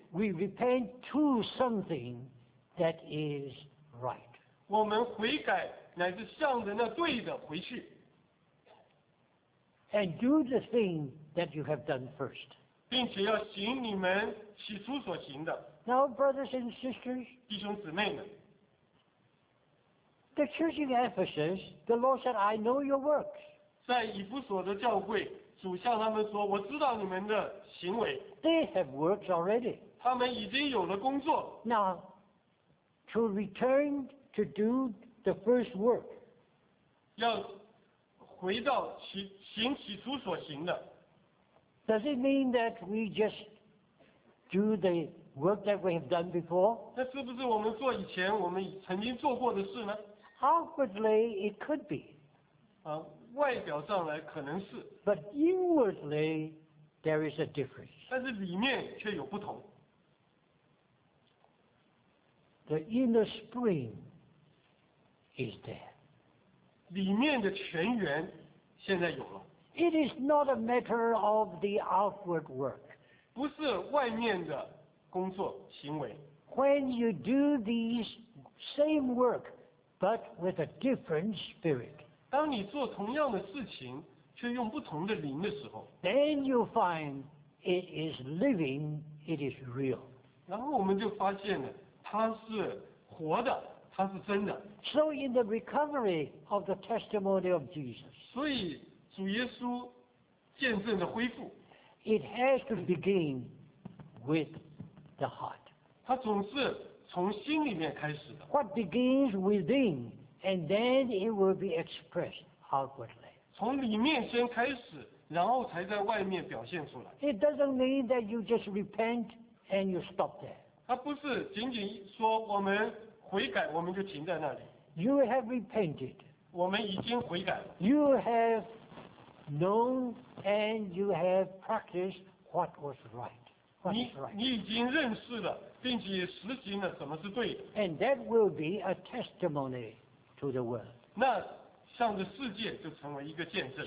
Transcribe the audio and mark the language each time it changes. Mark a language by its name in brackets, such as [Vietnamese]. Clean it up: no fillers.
[English] We repent to something that is right. [Chinese] 我们悔改。乃是向着那对的回去。 [English] And do the thing that you have done first. [Chinese] 并且要行你们起初所行的。 [English] Now, brothers and sisters, [Chinese] 弟兄姊妹们。 [English] The church in Ephesus, the Lord said, I know your works. [Chinese] 在以弗所的教会，主向他们说，我知道你们的行为。 [English] They have works already. [Chinese] 他们已经有了工作。 [English] Now, to return to do The first work. [Chinese] 要回到行起初所行的。 [English] Does it mean that we just do the work that we have done before? [Chinese] 那是不是我们做以前我们曾经做过的事呢？ [English] Outwardly, it could be. [Chinese] 外表上来可能是。 [English] But inwardly, there is a difference. [Chinese] 但是里面却有不同。 [English] The inner spring. Is there? [Chinese] 里面的泉源现在有了。 [English] It is not a matter of the outward work. [Chinese] 不是外面的工作行为。 [English] When you do these same work, but with a different spirit. [Chinese] 当你做同样的事情，却用不同的灵的时候。 [English] Then you find it is living, it is real. [Chinese] 然后我们就发现了，它是活的。它是真的。 [English] So in the recovery of the testimony of Jesus. [Chinese] 所以主耶稣见证的恢复。 [English] It has to begin with the heart. [Chinese] 它总是从心里面开始的。 [English] What begins within, and then it will be expressed outwardly. [Chinese] 从里面先开始，然后才在外面表现出来。 [English] It doesn't mean that you just repent and you stop there. [Chinese] 它不是仅仅说我们悔改，我们就停在那里。 [English] You have repented. [Chinese] 我们已经悔改了。 [English] You have known and you have practiced what was right. [Chinese] 你已经认识了，并且实行了什么是对的。 [English] And that will be a testimony to the world. [Chinese] 那向着世界就成为一个见证。